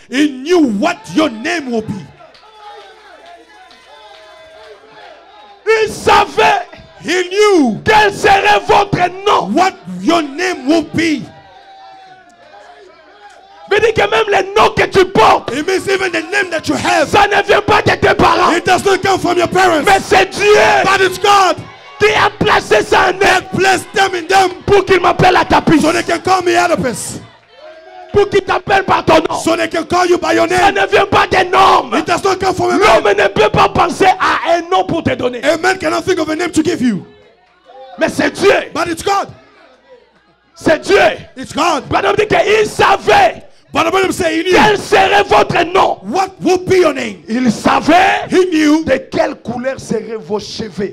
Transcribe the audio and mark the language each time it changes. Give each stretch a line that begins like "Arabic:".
English: He knew what your name will be.
French: Il savait.
English: He knew.
French: Quel serait votre nom.
English: What your name will be.
French: Mais dis que même le nom que tu portes.
English: It means even the name that you have.
French: Ça ne vient pas de tes parents.
English: It does not come from your parents.
French: Mais c'est Dieu.
English: But it's God.
French: Qui a placé ça en eux.
English: That placed them in them.
French: Pour qu'ils m'appellent à ta place.
English: So they can call me Oedipus.
French: Pour qu'ils t'appellent par ton nom.
English: So they can call you by your name.
French: Ça ne vient pas des noms.
English: It does not come from a man.
French: L'homme ne peut pas penser à un nom pour te donner.
English: A man cannot think of a name to give you.
French: Mais c'est Dieu.
English: But it's God.
French: C'est Dieu.
English: It's God.
French: Abraham dit qu'il savait.
English: But Abraham said he knew.
French: Quel serait votre nom?
English: What would be your name?
French: Il savait.
English: He knew.
French: De quelle couleur seraient vos cheveux?